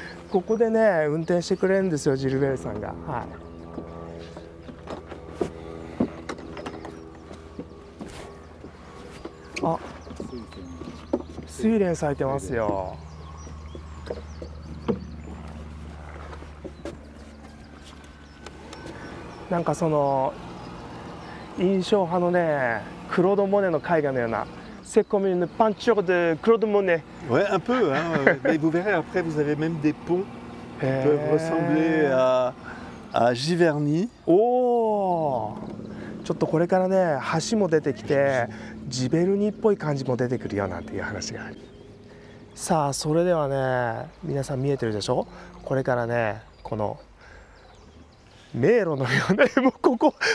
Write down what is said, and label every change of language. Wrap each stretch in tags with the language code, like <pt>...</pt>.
<ja>ここでね運転してくれるんですよジルベールさんが、はい、あ、スイレン咲いてますよ。なんかその印象派のねクロードモネの絵画のような、セコミのパンチョでクロードモネ。</ja> <fr>Ouais, un peu, hein. Mais vous verrez après, vous avez même des ponts qui peuvent ressembler à Giverny.</fr> <ja>Oh, ちょっとこれからね橋も出てきてジベルニっぽい感じも出てくるよなんていう話がある。さあそれではね皆さん見えてるでしょ？これからねこの迷路のようなもうここ。</ja>